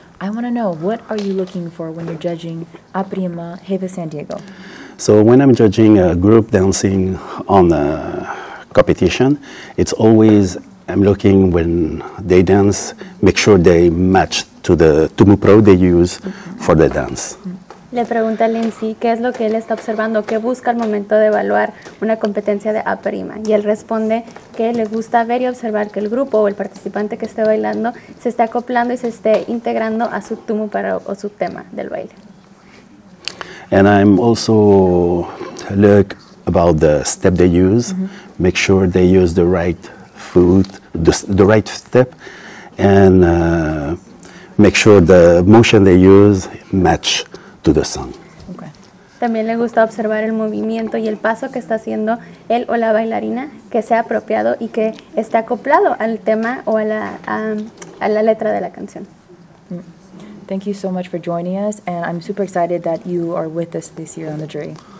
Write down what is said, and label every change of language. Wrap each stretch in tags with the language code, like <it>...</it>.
<en>I want to know, what are you looking for when you're judging Aparima Heiva San Diego? So when I'm judging a group dancing on a competition, it's always, I'm looking when they dance, make sure they match to the Tumu Pro they use for the dance.</en> <es>Le pregunta a Lindsay, ¿qué es lo que él está observando? ¿Qué busca al momento de evaluar una competencia de Aparima? Y él responde que le gusta ver y observar que el grupo o el participante que esté bailando se esté acoplando y se esté integrando a su tumu para, o su tema del baile.</es> <en>And I'm also look about the step they use, mm-hmm. make sure they use the right foot, the right step, and make sure the motion they use match to the song. Okay.</en> <es>También le gusta observar el movimiento y el paso que está haciendo él o la bailarina que sea apropiado y que esté acoplado al tema o a la letra de la canción.</es> <en>Thank you so much for joining us, and I'm super excited that you are with us this year on the jury.</en>